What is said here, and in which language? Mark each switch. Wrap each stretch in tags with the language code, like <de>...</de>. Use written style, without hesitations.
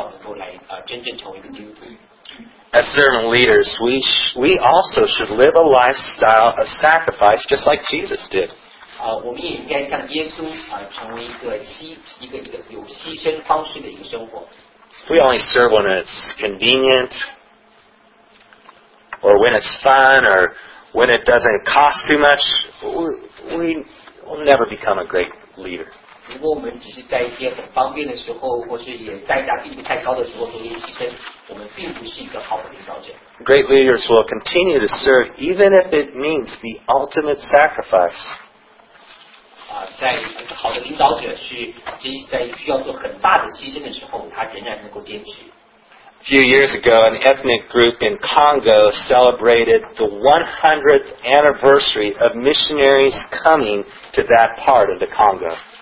<zh>如果你已经预备好要成为相信耶稣基督，我鼓励你能够跟神牧师或是你教会领导者或是跟艾宝牧师，能够让我们一起来祷告，帮助你祷告，能够来真正成为一个基督徒。</zh> <en>As servant leaders, we also should live a lifestyle of sacrifice just like Jesus did.</en> <zh>我们也应该像耶稣成为一个有牺牲方式的一个生活。</zh> <en>We only serve when it's convenient, or when it's fun, or when it doesn't cost too much. We will never become a great leader.</en> <zh>如果我们只是在一些很方便的时候，或是也代价并不太高的时候做一些牺牲，我们并不是一个好的领导者。</zh> <en>Great leaders will continue to serve even if it means the ultimate sacrifice.</en> <zh>在好的领导者是在需要做很大的牺牲的时候，他仍然能够坚持。</zh> <en>A few years ago, an ethnic group in Congo celebrated the 100th anniversary of missionaries coming to that part of the Congo.</en>